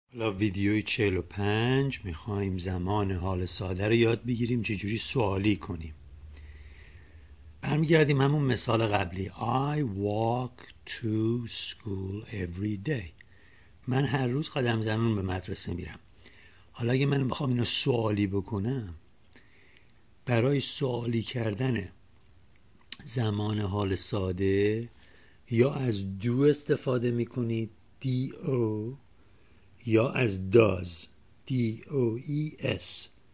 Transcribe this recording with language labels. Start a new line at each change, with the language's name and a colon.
Persian: حالا ویدیوی 45 میخواییم زمان حال ساده رو یاد بگیریم چجوری سوالی کنیم. برمیگردیم همون مثال قبلی.
English: I walk to school every day.
Persian: من هر روز قدم زنون به مدرسه میرم. حالا اگه من بخوام اینو سوالی بکنم، برای سوالی کردن زمان حال ساده یا از do استفاده میکنید do، یا از does does.